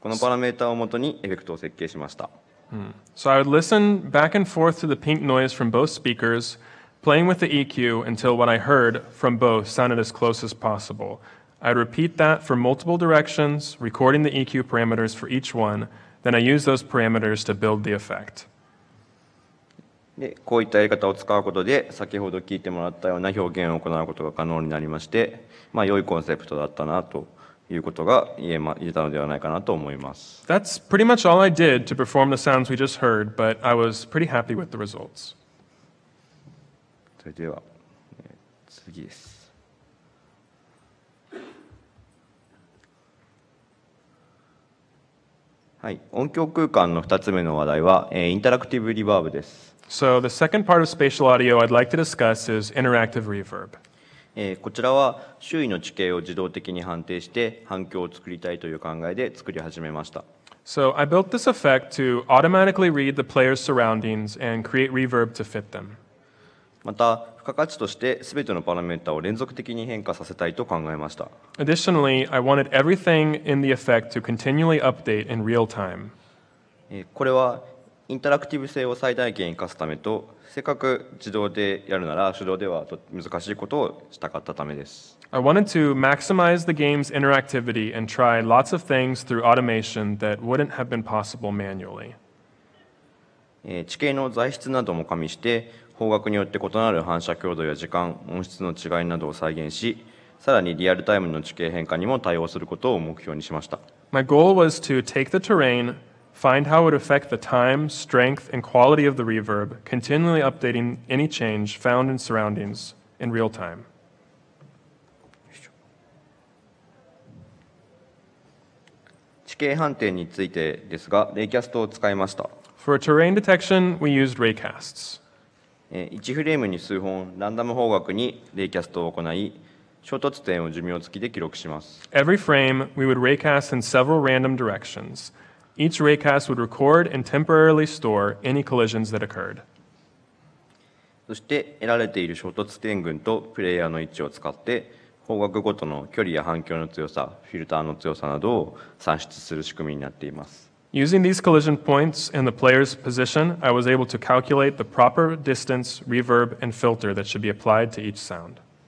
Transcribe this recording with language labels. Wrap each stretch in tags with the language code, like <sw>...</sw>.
<ja>このパラメータをもとにエフェクトを設計しました。</ja> <en>So, I would listen back and forth to the pink noise from both speakers, playing with the EQ until what I heard from both sounded as close as possible. I'd repeat that for multiple directions, recording the EQ parameters for each one, then I use those parameters to build the effect.</en> <ja>で、こういったやり方を使うことで、先ほど聞いてもらったような表現を行うことが可能になりまして、まあ、良いコンセプトだったなということが言えたのではないかなと思います。</ja> <en>That's pretty much all I did to perform the sounds we just heard, but I was pretty happy with the results.</en> <ja>それでは、次です。はい、音響空間の2つ目の話題は、インタラクティブリバーブです。</ja> <en>So the second part of spatial audio I'd like to discuss is interactive reverb.</en> <ja>こちらは周囲の地形を自動的に判定して反響を作りたいという考えで作り始めました。</ja> <en>So I built this effect to automatically read the player's surroundings and create reverb to fit them.</en> <ja>また、付加価値として全てのパラメータを連続的に変化させたいと考えました。</ja> <en>Additionally, I wanted everything in the effect to continually update in real time.</en> <ja>これはインタラクティブ性を最大限生かすためと、せっかく自動でやるなら手動では難しいことをしたかったためです。</ja> <en>I wanted to maximize the game's interactivity and try lots of things through automation that wouldn't have been possible manually.</en> <ja>地形の材質なども加味して、方角によって異なる反射強度や時間、音質の違いなどを再現し、さらにリアルタイムの地形変化にも対応することを目標にしました。</ja> <en>My goal was to take the terrain, Find how it would affect the time, strength, and quality of the reverb, continually updating any change found in surroundings in real time. For a terrain detection, we used raycasts.</en> <ja>1フレームに数本、ランダム方角にレイキャストを行い、衝突点を寿命付きで記録します。</ja> <en>Every frame, we would raycast in several random directions. Each raycast would record and temporarily store any collisions that occurred.</en> <ja>そして、得られている衝突点群とプレイヤーの位置を使って、方角ごとの距離や反響の強さ、フィルターの強さなどを算出する仕組みになっています。</ja> <en>Using these collision points and the player's position, I was able to calculate the proper distance, reverb, and filter that should be applied to each sound.</en>